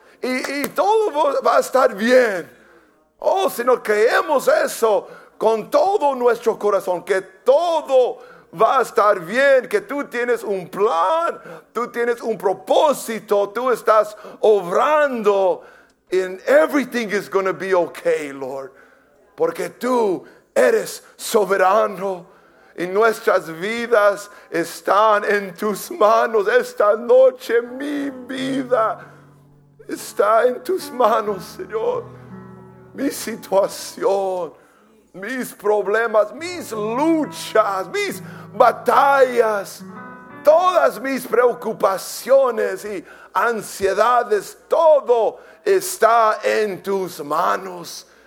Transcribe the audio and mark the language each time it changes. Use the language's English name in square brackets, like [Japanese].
[Spanish] Y todo va a estar bien. Oh, si no creemos eso con todo nuestro corazón, que todo va a estar bien, que tú tienes un plan, tú tienes un propósito, tú estás obrando. [English] And everything is going to be okay, Lord. [Spanish] Porque tú eres soberano y nuestras vidas están en tus manos. Esta noche mi vida está en tus manos, Señor. Mi situación, mis problemas, mis luchas, mis batallas, todas mis preocupaciones y ansiedades, todo está en tus manos.